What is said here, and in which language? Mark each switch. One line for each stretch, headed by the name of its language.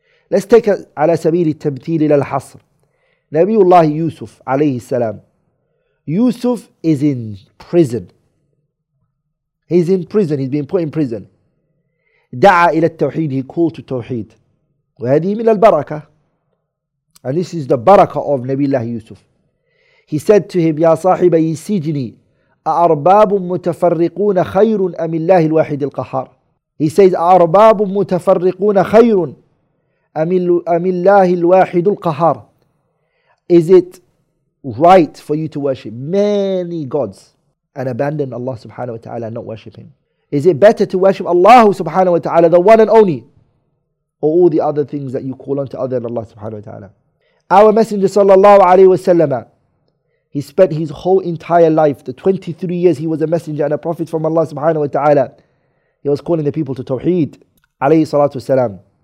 English: Let's take a ala sabili tabteel ila al-hasr. Nabiullah Yusuf alayhi salam. Yusuf is in prison. He's in prison. He's been put in prison.
Arabic: دعا إلى التوحيد,
English: he called to Tawheed.
Arabic: وهذه من البركة.
English: And this is the baraka of Nabi Allah Yusuf. He said to him,
Arabic: يا صاحبي سجني أأرباب متفرقون خير أم الله الواحد القهار.
English: He says,
Arabic: أأرباب متفرقون خير أم الله الواحد القهار.
English: is it right for you to worship many gods and abandon Allah subhanahu wa ta'ala and not worship Him? Is it better to worship Allah subhanahu wa ta'ala, the one and only, or all the other things that you call on to other than Allah subhanahu wa ta'ala? Our Messenger sallallahu alayhi wa sallam, he spent his whole entire life, the 23 years he was a messenger and a prophet from Allah subhanahu wa ta'ala, he was calling the people to Tawheed alayhi salatu wasalam.